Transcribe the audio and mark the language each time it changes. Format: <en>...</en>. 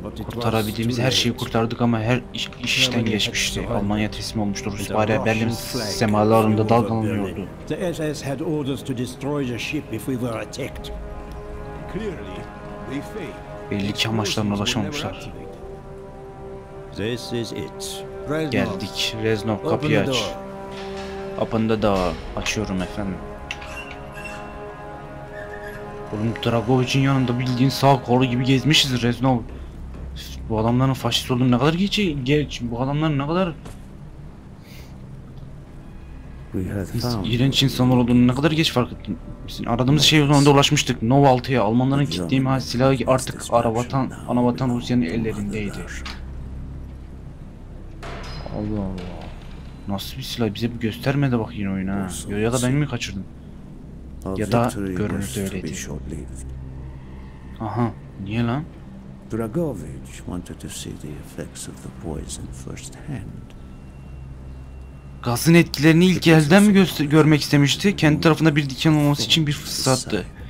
<tr>Kurtarabildiğimiz her şeyi kurtardık ama her iş işten geçmişti. Almanya teslim olmuştu. Rus bari Berlin semalarında dalgalanıyordu.</tr> <en>SS had orders to destroy the ship if we were attacked. Clearly, they failed.</en> <tr>Belli ki amaçlarına ulaşamamışlar.</tr> <en>This is it.</en> <tr>Reznov. Geldik. Reznov, kapıyı aç.</tr> <en>Open the door.</en> <tr>Açıyorum efendim. Oğlum Dragovic'in yanında bildiğin sağ kolu gibi gezmişiz Reznov. Bu adamların faşist olduğunu ne kadar geç. Bu adamların ne kadar... İğrenç insanlar olduğunu ne kadar geç fark ettim. Biz aradığımız şey o zaman da ulaşmıştık. Nova 6'ya Almanların kilitliği mahal silahı artık anavatan Rusya'nın ellerindeydi. Allah Allah. Nasıl bir silah, bize bir gösterme de bak yine oyuna. Ya da ben mi kaçırdım? Ya da görüntü öyleydi. Aha, niye lan?</tr> <en>Dragovic wanted to see the effects of the poison first hand.</en> <tr>Gazın etkilerini ilk elden mi görmek istemişti? Kendi tarafında bir diken olması için bir fırsattı.</tr>